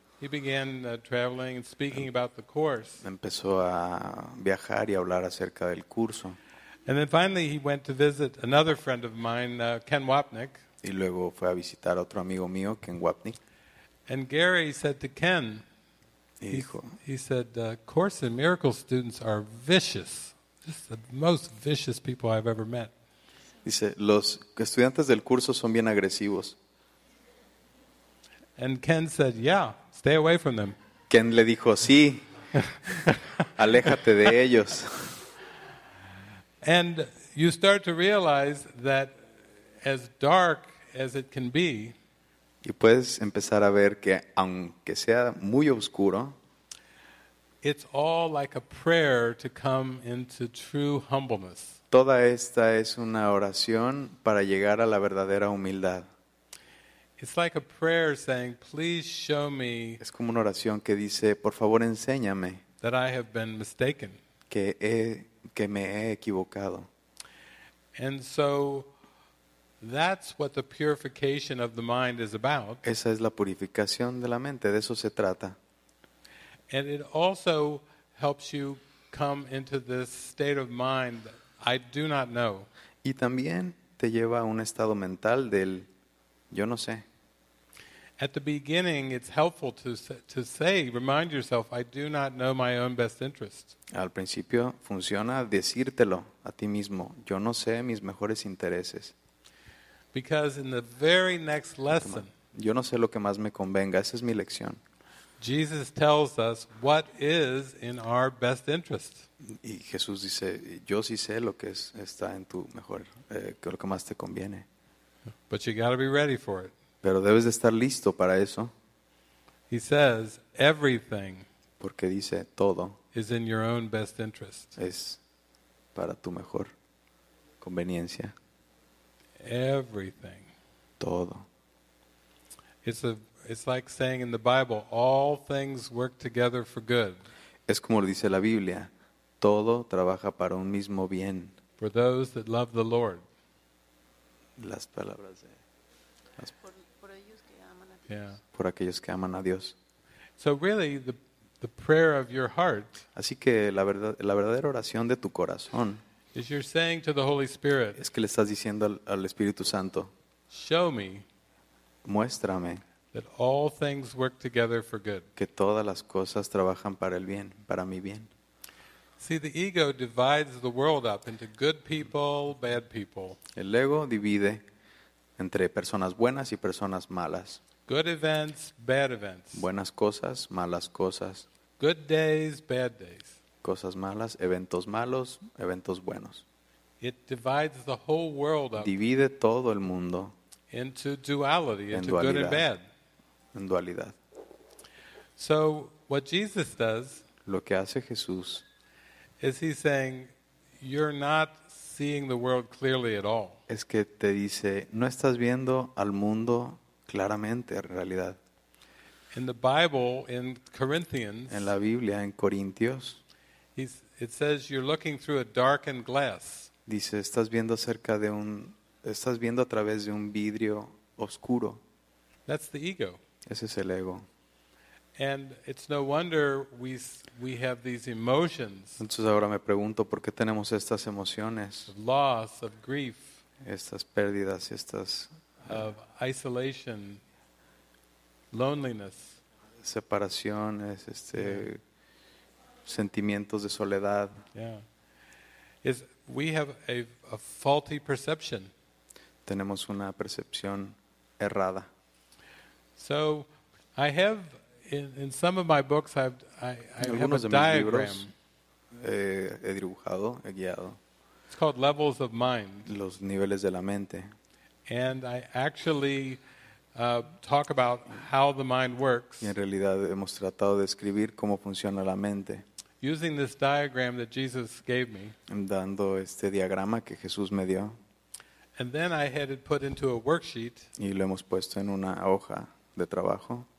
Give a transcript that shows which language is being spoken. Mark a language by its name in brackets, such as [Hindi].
[English] He began traveling and speaking about the course. [Spanish] Empezó a viajar y a hablar acerca del curso. [English] And then finally he went to visit another friend of mine, Ken Wapnick. [Spanish] Y luego fue a visitar a otro amigo mío, Ken Wapnick. [English] And Gary said to Ken, he said, Course in Miracles students are vicious. Just the most vicious people I've ever met. [Spanish] Dice, los estudiantes del curso son bien agresivos. [English] And Ken said, yeah, stay away from them. [Spanish] Ken le dijo, sí, aléjate de ellos. [English] And you start to realize that as dark as it can be, [Spanish] y puedes empezar a ver que aunque sea muy oscuro, [English] it's all like a prayer to come into true humbleness. [Spanish] Toda esta es una oración para llegar a la verdadera humildad. [English] It's like a prayer saying, please show me. [Spanish] Es como una oración que dice, por favor, enséñame. [English] That I have been mistaken. [Spanish] Que me he equivocado. [English] And so that's what the purification of the mind is about. [Spanish] Esa es la purificación de la mente, de eso se trata. [English] And it also helps you come into this state of mind that I do not know. [Spanish] Y también te lleva a un estado mental del yo no sé. [English] At the beginning it's helpful to say remind yourself I do not know my own best interest. [Spanish] Al principio funciona decírtelo a ti mismo, yo no sé mis mejores intereses. [English] Because in the very next lesson, [Spanish] yo no sé lo que más me convenga, esa es mi lección. [English] Jesus tells us what is in our best interest. [Spanish] Y Jesús dice, yo sí sé lo que está en tu mejor, lo que más te conviene. [English] But you got to be ready for it. [Spanish] Pero debes de estar listo para eso. [English] He says everything. [Spanish] Porque dice todo. [English] Is in your own best interest. [Spanish] Es para tu mejor conveniencia. [English] Everything. [Spanish] Todo. [English] It's like saying in the Bible, all things work together for good. [Spanish] Es como lo dice la Biblia, todo trabaja para un mismo bien. [English] For those that love the Lord. [Spanish] Las palabras de. Por ellos que aman a Dios. [English] Yeah. [Spanish] Por aquellos que aman a Dios. [English] So really, the prayer of your heart. [Spanish] Así que la verdadera oración de tu corazón. [English] Is you're saying to the Holy Spirit. [Spanish] Es que le estás diciendo al Espíritu Santo. [English] Show me. [Spanish] Muéstrame. [English] That all things work together for good. [Spanish] Que todas las cosas trabajan para el bien, para mi bien. [English] See, the ego divides the world up into good people, bad people. [Spanish] El ego divide entre personas buenas y personas malas. [English] Good events, bad events. [Spanish] Buenas cosas, malas cosas. [English] Good days, bad days. [Spanish] Cosas malas, eventos malos, eventos buenos. [English] It divides the whole world up. [Spanish] Divide todo el mundo. [English] Into duality, into dualidad, good and bad. [Spanish] En dualidad. [English] So what Jesus does, [Spanish] lo que hace Jesús, [English] is he's saying, you're not seeing the world clearly at all. [Spanish] Es que te dice, no estás viendo al mundo claramente, en realidad. [English] In the Bible, in Corinthians, [Spanish] en la Biblia, en Corintios, [English] it says you're looking through a darkened glass. [Spanish] Dice, estás viendo a través de un vidrio oscuro. [English] That's the ego. [Spanish] Ese es el ego. [English] And it's no wonder we have these emotions. [Spanish] Entonces ahora me pregunto por qué tenemos estas emociones. [English] Of loss, of grief. [Spanish] Estas pérdidas, estas. [English] Of isolation, loneliness. [Spanish] Separaciones, sentimientos de soledad. [English] Yeah. Is we have a faulty perception. [Spanish] Tenemos una percepción errada. [English] So I have in some of my books I have a diagram. [Spanish] Algunos de mis libros he dibujado, he guiado. [English] It's called Levels of Mind. [Spanish] Los niveles de la mente. [English] And I actually talk about how the mind works. [Spanish] Y en realidad hemos tratado de describir cómo funciona la mente. [English] Using this diagram that Jesus gave me. [Spanish] Dando este diagrama que Jesús me dio. [English] And then I had it put into a worksheet. [Spanish] Y lo hemos puesto en una hoja de trabajo.